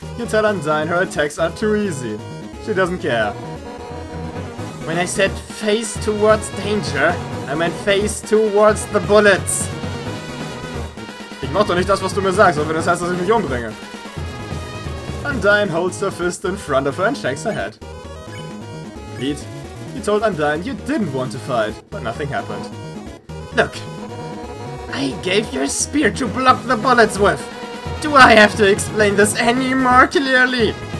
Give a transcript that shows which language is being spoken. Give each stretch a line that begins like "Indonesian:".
English: You tell Undyne her attacks are too easy. She doesn't care. When I said face towards danger, I meant face towards the bullets.
German: Ich mach doch nicht das, was du mir sagst, auch wenn das heißt, dass ich mich umbringe.
English: Undyne holds her fist in front of her and shakes her head. Pete, you told Undyne you didn't want to fight, but nothing happened. Look, I gave you a spear to block the bullets with. Do I have to explain this any more clearly?